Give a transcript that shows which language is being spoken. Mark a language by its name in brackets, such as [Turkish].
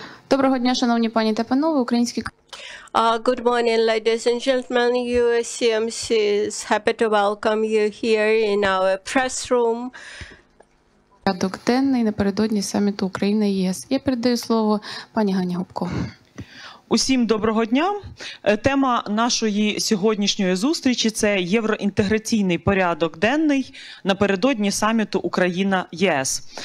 [Ukrainian] Доброго дня, шановні пані та панове, українські. [English] Good morning, ladies and gentlemen. USCMC is happy to welcome you here in our press room. [Ukrainian] Порядок денний напередодні саміту України ЄС. Я передаю слово пані Ганні Гопко. Усім доброго дня. Тема нашої сьогоднішньої зустрічі – це євроінтеграційний порядок денний напередодні саміту Україна-ЄС.